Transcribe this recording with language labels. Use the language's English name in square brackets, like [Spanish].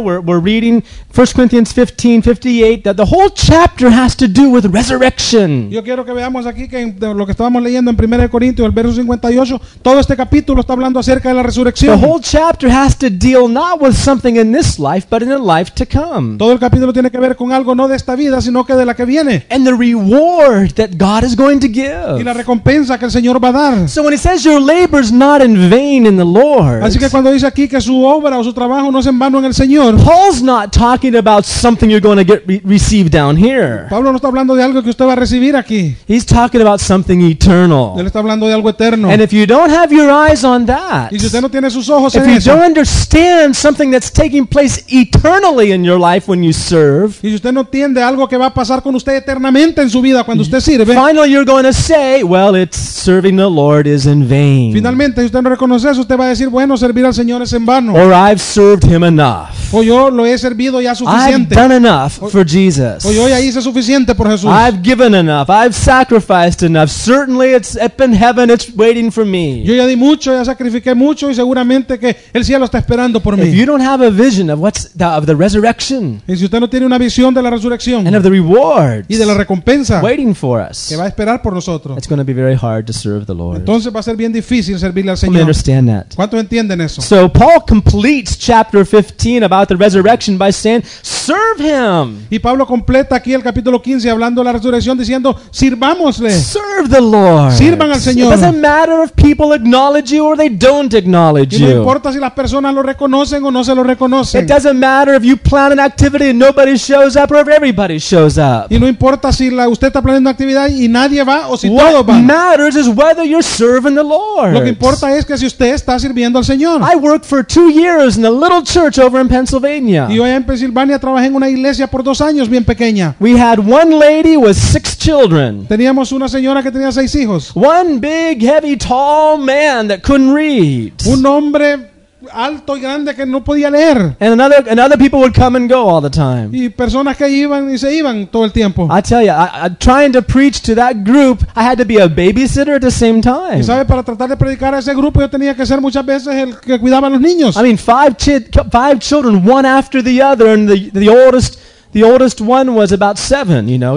[English] We're reading 1 Corinthians 15, 58, that the whole chapter has to do with resurrection. [Spanish] Yo quiero que veamos aquí que lo que estábamos leyendo en 1 Corintios, el verso 58, todo este capítulo está hablando acerca de la resurrección. [English] The whole chapter has to deal not with something in this life, but in a life to come. [Spanish] Todo el capítulo tiene que ver con algo no de esta vida, sino que de la que viene. [English] And the reward that God is going to give. [Spanish] Y la recompensa que el Señor va a dar. [English] So when he says your labor is not in vain in the Lord. [Spanish] Así que cuando dice aquí que su obra su trabajo no es en vano en el Señor. [English] Paul's not talking about something you're going to get received down here. [Spanish] Pablo no está hablando de algo que usted va a recibir aquí. [English] He's talking about something eternal. [Spanish] Él está hablando de algo eterno. [English] And if you don't have your eyes on that, [Spanish] y si usted no tiene sus ojos en eso, [English] if you don't understand something that's taking place eternally in your life when you serve, [Spanish] y si usted no entiende algo que va a pasar con usted eternamente en su vida cuando usted sirve, [English] finally you're going to say, well, it's serving the Lord is in vain. [Spanish] Finalmente, si usted no reconoce eso, usted va a decir, bueno, servir al Señor es en vano. [English] Or I've served him enough. [Spanish] O yo lo he servido ya suficiente. [English] I've done enough for Jesus. [Spanish] O yo ya hice suficiente por Jesús. [English] I've given enough. I've sacrificed enough. Certainly it's up in heaven. It's waiting for me. [Spanish] Yo ya di mucho, ya sacrifiqué mucho y seguramente que el cielo está esperando por mí. [English] If you don't have a vision of what's of the resurrection. [Spanish] Y si usted no tiene una visión de la resurrección. [English] And of the rewards. [Spanish] Y de la recompensa. [English] Waiting for us. [Spanish] Que va a esperar por nosotros. [English] It's going to be very hard to serve the Lord. [Spanish] Entonces va a ser bien difícil servirle al Señor. [English] We understand that. [Spanish] ¿Cuántos entienden eso? [English] So Paul completes chapter 15 about the resurrection by saying, serve him. [Spanish] Y Pablo completa aquí el capítulo 15 hablando de la resurrección diciendo, sirvámosle. [English] Serve the Lord. [Spanish] Sirvan al Señor. [English] It doesn't matter if people acknowledge you or they don't acknowledge you. [Spanish] Y no importa si las personas lo reconocen o no se lo reconocen. [English] It doesn't matter if you plan an activity and nobody shows up or if everybody shows up. [Spanish] Y no importa si usted está planeando actividad y nadie va o si todos van. [English] What matters is whether you're serving the Lord. [Spanish] Lo que importa es que si usted está sirviendo al Señor. [English] I worked for 2 years in a little church over in Pennsylvania. [Spanish] Yo allá en Pensilvania trabajé en una iglesia por 2 años bien pequeña. [English] We had one lady with 6 children. [Spanish] Teníamos una señora que tenía 6 hijos. [English] One big, heavy, tall man that couldn't read. [Spanish] Un hombre alto y grande que no podía leer. [English] And another people would come and go all the time. [Spanish] Y personas que iban y se iban todo el tiempo. [English] I tell you, I trying to preach to that group, I had to be a babysitter at the same time. [Spanish] Y sabe, para tratar de predicar a ese grupo, yo tenía que ser muchas veces el que cuidaba a los niños. [English] I mean, five children, one after the other, and the oldest one was about 7, you know.